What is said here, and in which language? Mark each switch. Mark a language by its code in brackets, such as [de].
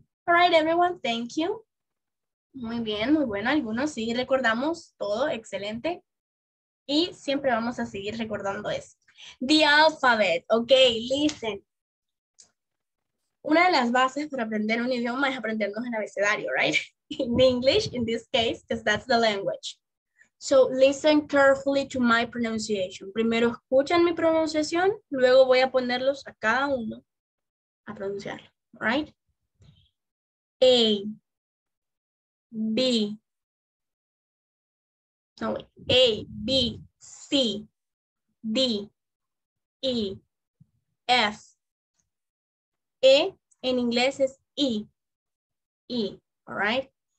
[en] All right, everyone, thank you. [es] Muy bien, muy bueno. Algunos sí recordamos todo, excelente. Y siempre vamos a seguir recordando eso. [en] The alphabet, ok, listen. [es] Una de las bases para aprender un idioma es aprendernos el abecedario, right? [en] In English, in this case, because that's the language. So listen carefully to my pronunciation. [es] Primero escuchan mi pronunciación, luego voy a ponerlos a cada uno a pronunciarlo, right? [en] A, B, no, A, B, C, D, E, F, E, [es] en inglés es E, E, [en] all right?